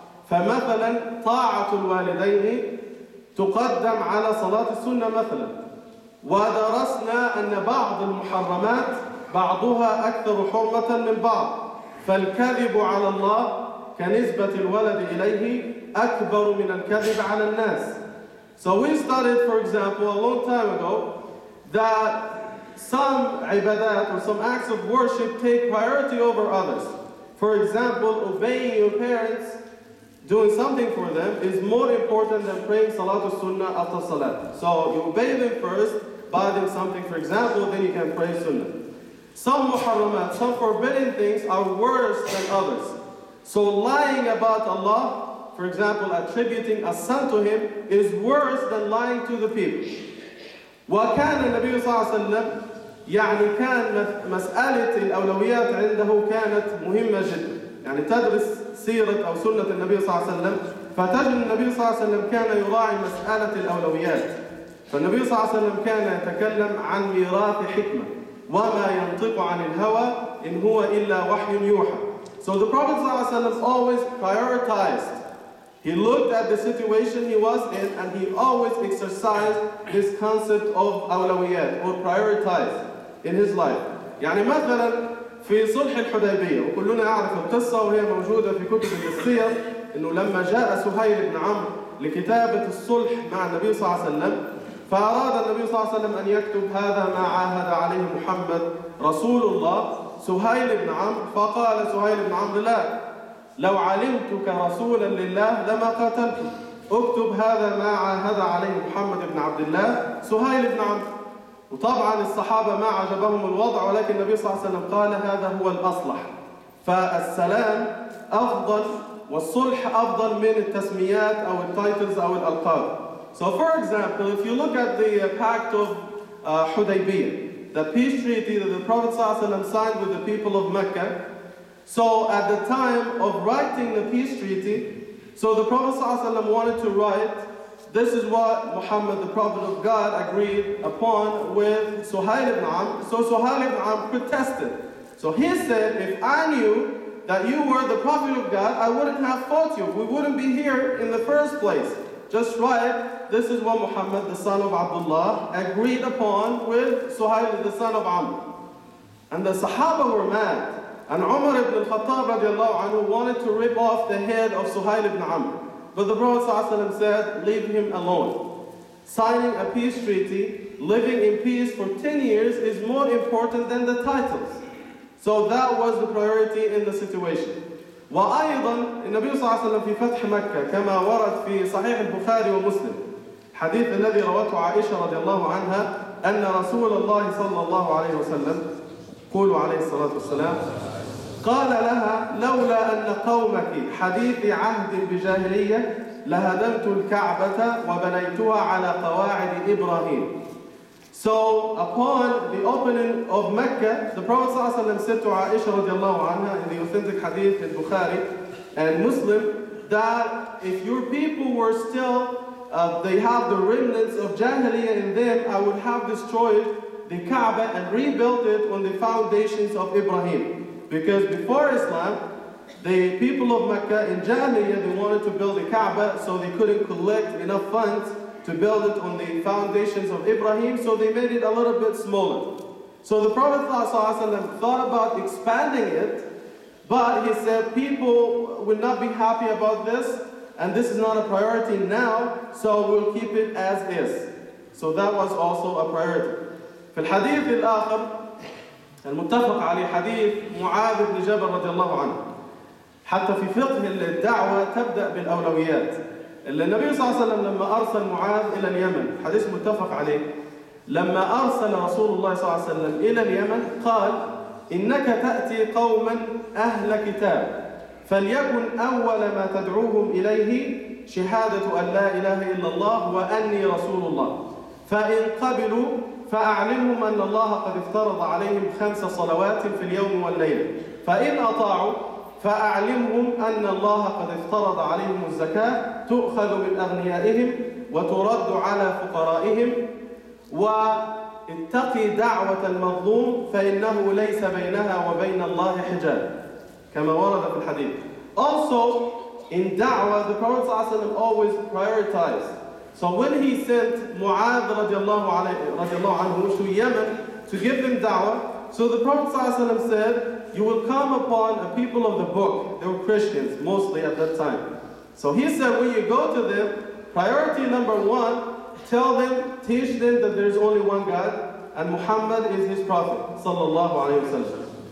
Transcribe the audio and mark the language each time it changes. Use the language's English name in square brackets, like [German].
[Arabic] فمثلا طاعة الوالدين تقدم على صلاة السنة مثلا. ودرسنا أن بعض المحرمات بعضها أكثر حرمة من بعض، فالكذب على الله كنسبة الولد إليه أكبر من الكذب على الناس. [English] So we started, for example, a long time ago that some ibadat or some acts of worship take priority over others. For example, obeying your parents, doing something for them, is more important than praying Salatul Sunnah after Salat. So you obey them first, buy them something, for example, then you can pray Sunnah. Some muharramat, some forbidden things, are worse than others. So lying about Allah, for example, attributing a son to Him, is worse than lying to the people. [Arabic] وكان النبي صلى الله عليه وسلم يعني كان مسألة الأولويات عنده كانت مهمة جدا. يعني تدرس سيرة أو سنة النبي صلى الله عليه وسلم فتجد النبي صلى الله عليه وسلم كان يراعي مسألة الأولويات. فالنبي صلى الله عليه وسلم كان يتكلم عن ميراث حكمة، وما ينطق عن الهوى إن هو إلا وحي يوحى. [English] So the Prophet ﷺ always prioritized. He looked at the situation he was in and he always exercised this concept of أولويات or prioritized in his life. [Arabic] يعني مثلا في صلح الحديبية وكلنا أعرف القصة وهي موجودة في كتب السير إنه لما جاء سهيل بن عمرو لكتابة الصلح مع النبي صلى الله عليه وسلم فأراد النبي صلى الله عليه وسلم أن يكتب هذا ما عاهد عليه محمد رسول الله سهيل بن عمرو فقال سهيل بن عمرو لا لو علمتك رسولا لله لما قاتلت اكتب هذا ما عاهد عليه محمد بن عبد الله سهيل بن عمرو وطبعا الصحابة ما عجبهم الوضع ولكن النبي صلى الله عليه وسلم قال هذا هو الأصلح فالسلام أفضل والصلح أفضل من التسميات أو التايتلز أو الألقاب. [English] So for example, if you look at the pact of Hudaybiyah, the peace treaty that the Prophet ﷺ signed with the people of Mecca, so at the time of writing the peace treaty, so the Prophet ﷺ wanted to write, this is what Muhammad, the Prophet of God, agreed upon with Suhail ibn Amr. So Suhail ibn Amr protested. So he said, if I knew that you were the Prophet of God, I wouldn't have fought you. We wouldn't be here in the first place. Just write, this is what Muhammad, the son of Abdullah, agreed upon with Suhail, the son of Amr. And the Sahaba were mad. And Umar ibn Khattab, radiallahu anhu, wanted to rip off the head of Suhail ibn Amr. But the Prophet sallallahu alaihi wasallam said, leave him alone. Signing a peace treaty, living in peace for 10 years is more important than the titles. So that was the priority in the situation. [Arabic] وأيضا النبي صلى الله عليه وسلم في فتح مكة كما ورد في صحيح البخاري ومسلم حديث الذي روته عائشة رضي الله عنها أن رسول الله صلى الله عليه وسلم قولوا عليه الصلاة والسلام قال لها لولا أن قومك حديث عهد بجاهلية لهدمت الكعبة وبنيتها على قواعد إبراهيم. [English] So upon the opening of Mecca, the Prophet ﷺ said to Aisha radiallahu anha in the authentic hadith in Bukhari and Muslim that if your people were still, they have the remnants of Jahiliyyah in them, I would have destroyed the Kaaba and rebuilt it on the foundations of Ibrahim. Because before Islam, the people of Mecca in Jahiliyyah, they wanted to build the Kaaba so they couldn't collect enough funds to build it on the foundations of Ibrahim, so they made it a little bit smaller. So the Prophet ﷺ thought about expanding it, but he said people will not be happy about this, and this is not a priority now, so we'll keep it as is. So that was also a priority. [Arabic] في الحديث الآخر المتفق عليه حديث معاذ بن جبل رضي الله عنه حتى في فقه الدعوة تبدأ بالأولويات. النبي صلى الله عليه وسلم لما أرسل معاذ إلى اليمن حديث متفق عليه لما أرسل رسول الله صلى الله عليه وسلم إلى اليمن قال إنك تأتي قوما أهل كتاب فليكن أول ما تدعوهم إليه شهادة أن لا إله إلا الله وأني رسول الله فإن قبلوا فأعلمهم أن الله قد افترض عليهم 5 صلوات في اليوم والليلة فإن أطاعوا فأعلمهم أن الله قد افترض عليهم الزكاة تؤخذ من أغنيائهم وترد على فقرائهم واتقي دعوة المظلوم فإنه ليس بينها وبين الله حجاب كما ورد في الحديث. [English] Also in da'wah the Prophet ﷺ always prioritized. So when he sent Mu'adh رضي الله عنه to Yemen to give them da'wah, so the Prophet ﷺ said, you will come upon a people of the book. They were Christians mostly at that time. So he said, when you go to them, priority number one, tell them, teach them that there is only one God and Muhammad is his prophet, sallallahu alayhi wa sallam.